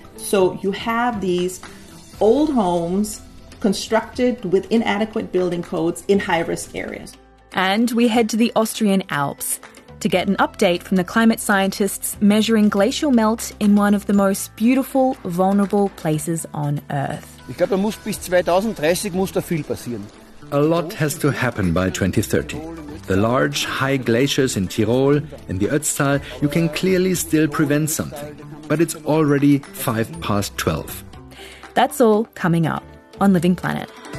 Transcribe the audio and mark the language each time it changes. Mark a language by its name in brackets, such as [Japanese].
[English] So you have these old homes constructed with inadequate building codes in high-risk areas. And we head to the Austrian Alps to get an update from the climate scientists measuring glacial melt in one of the most beautiful, vulnerable places on Earth. [German] Ich glaube, da muss bis 2030 muss da viel passieren. [English] A lot has to happen by 2030. The large, high glaciers in Tirol, in the Ötztal, you can clearly still prevent something. But it's already 12:05. That's all coming up on Living Planet.